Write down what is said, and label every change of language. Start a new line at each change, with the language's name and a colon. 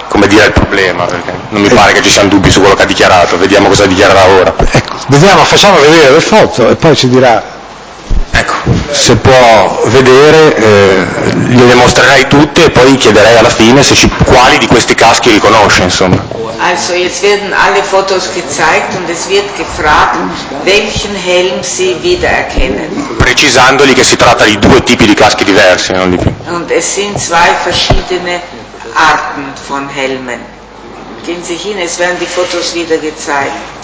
Italian: come dire il problema, perché non mi pare che ci siano dubbi su quello che ha dichiarato, vediamo cosa dichiarerà ora. Ecco, vediamo, facciamo vedere le foto e poi ci dirà. Ecco, se può vedere, le mostrerai tutte e poi chiederei alla fine se quali di questi caschi riconosce, insomma.
German: Also, jetzt werden alle Fotos gezeigt und es wird gefragt, welchen Helm sie wiedererkennen.
Italian: Precisandogli che si tratta di due tipi di caschi diversi, non di più.
German: Und es sind zwei verschiedene Arten von Helmen. Gehen Sie hin, es werden die Fotos wieder gezeigt.